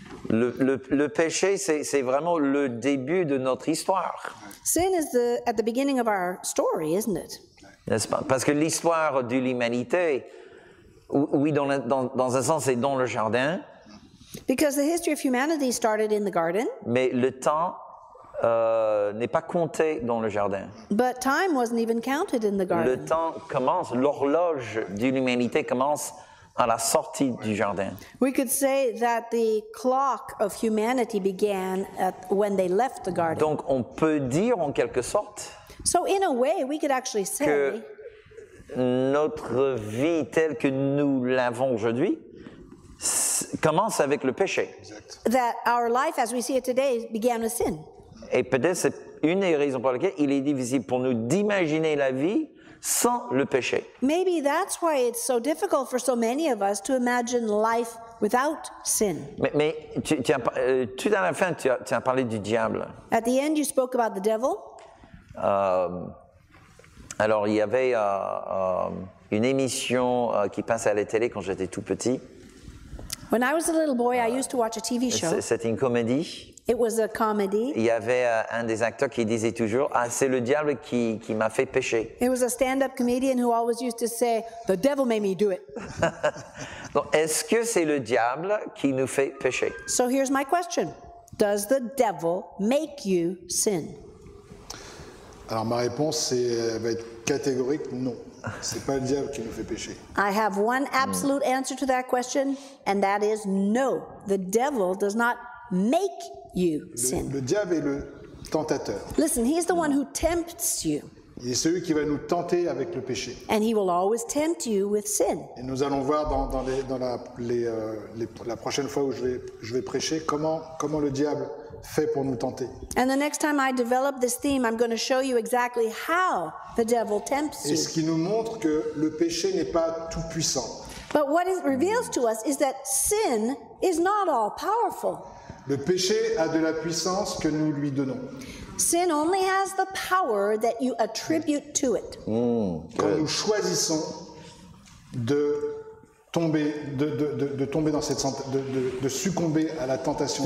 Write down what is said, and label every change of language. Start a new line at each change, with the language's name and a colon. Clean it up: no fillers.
French: Le péché, c'est vraiment le début de notre histoire.
English: Sin is at the beginning of our story, isn't it?
French: N'est-ce pas? Parce que l'histoire de l'humanité, oui, dans un sens, c'est dans le jardin.
English: Because the history of humanity started in the garden.
French: Mais le temps n'est pas compté dans le jardin.
English: But time wasn't even counted in the garden.
French: Le temps commence, l'horloge de l'humanité commence à la sortie du jardin.
English: We could say that the clock of humanity began when they left the garden.
French: Donc on peut dire en quelque sorte.
English: So in a way we could actually say
French: que notre vie telle que nous l'avons aujourd'hui commence avec le péché. Exact.
English: That our life as we see it today began with sin.
French: Et peut-être c'est une des raisons pour lesquelles il est difficile pour nous d'imaginer la vie sans le péché.
English: Maybe that's why it's so difficult for so many of us to imagine life without sin.
French: Mais tout à la fin, tu as parlé du diable.
English: At the end, you spoke about the devil.
French: Alors, il y avait une émission qui passait à la télé quand j'étais tout petit.
English: When I was a little boy, I used to watch a TV show.
French: C'était une comédie.
English: It was a comedy.
French: Il y avait un des acteurs qui disait toujours, ah, c'est le diable qui m'a fait pécher.
English: It was a stand-up comedian who always used to say, the devil made me do it.
French: Donc, est-ce que c'est le diable qui nous fait pécher?
English: So here's my question. Does the devil make you sin?
French: Alors, ma réponse va être catégorique, non. C'est pas le diable qui nous fait pécher.
English: I have one absolute answer to that question, and that is no. The devil does not make you sin.
French: Le diable est le tentateur.
English: Listen, he is the one who tempts you.
French: Il est celui qui va nous tenter avec le péché.
English: And he will always tempt you with sin.
French: Et nous allons voir dans la prochaine fois où je vais prêcher comment le diable fait pour nous tenter.
English: And the next time I develop this theme, I'm going to show you exactly how the devil tempts you.
French: Et ce qui nous montre que le péché n'est pas tout puissant.
English: But what it reveals to us is that sin is not all powerful.
French: Le péché a de la puissance que nous lui donnons.
English: Sin only has the power that you attribute to it.
French: Quand nous choisissons de succomber à la tentation